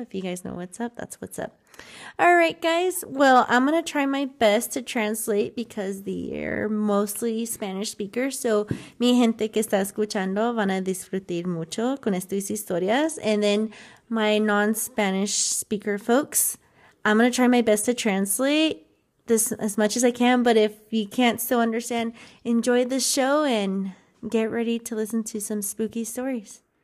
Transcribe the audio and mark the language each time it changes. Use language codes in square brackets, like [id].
[en] If you guys know what's up, that's what's up. All right, guys. Well, I'm going to try my best to translate because they're mostly Spanish speakers. [es] So, mi gente que está escuchando van a disfrutar mucho con estas historias. [en] And then my non-Spanish speaker folks, I'm going to try my best to translate this as much as I can. But if you can't still understand, enjoy the show and get ready to listen to some spooky stories.